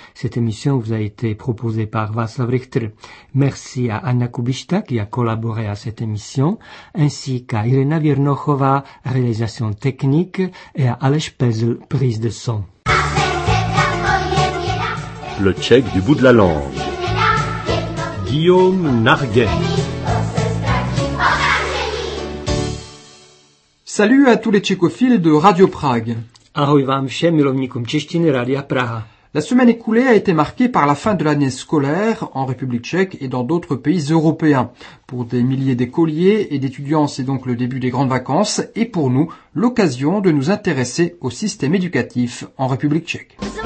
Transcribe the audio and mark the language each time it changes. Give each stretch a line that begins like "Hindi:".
French: Cette émission vous a été proposée par Václav Richter. Merci à Anna Kubišta qui a collaboré à cette émission, ainsi qu'à Irena Viernochová, réalisation technique, et à Aleš Pezl, prise de son. Le tchèque du bout de la langue. Guillaume Narguet. Salut à tous les tchécophiles de Radio Prague.
Czech: Ahoj vám všem milovníkům češtiny Rádia Praha.
French: La semaine écoulée a été marquée par la fin de l'année scolaire en République tchèque et dans d'autres pays européens. Pour des milliers d'écoliers et d'étudiants, c'est donc le début des grandes vacances et pour nous, l'occasion de nous intéresser au système éducatif en République tchèque.